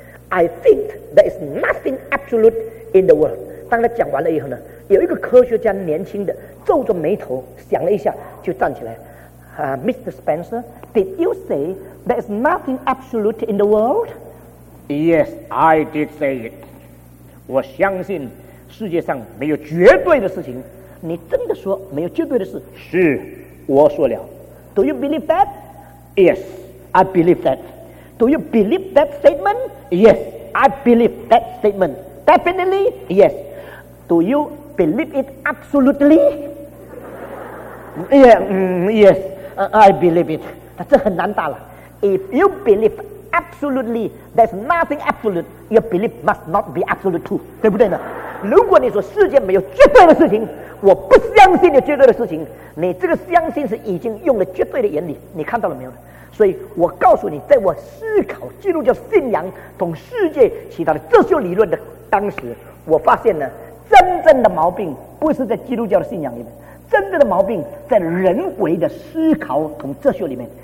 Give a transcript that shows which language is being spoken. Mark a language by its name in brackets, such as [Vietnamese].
[English] I think there is nothing absolute in the world. [Chinese] 当他讲完了以后呢，有一个科学家年轻的皱着眉头想了一下，就站起来， Mr. [English] Spencer, did you say there is nothing absolute in the world? Yes, I did say it. [Chinese] 我相信世界上没有绝对的事情。你真的说没有绝对的事？是，我说了。 [English] Do you believe that? Yes, I believe that. Do you believe that statement? Yes, I believe that statement. Definitely? Yes. Do you believe it absolutely? Yes, I believe it. [Chinese] 这很难答了。 [English] If you believe absolutely, there's nothing absolute, your belief must not be absolute too. [Chinese] 对不对呢？如果你说世界没有绝对的事情，我不相信有绝对的事情，你这个相信是已经用了绝对的原理，你看到了没有？所以我告诉你，在我思考基督教信仰同世界其他的哲学理论的当时，我发现呢，真正的毛病不是在基督教的信仰里面，真正的毛病在人为的思考同哲学里面。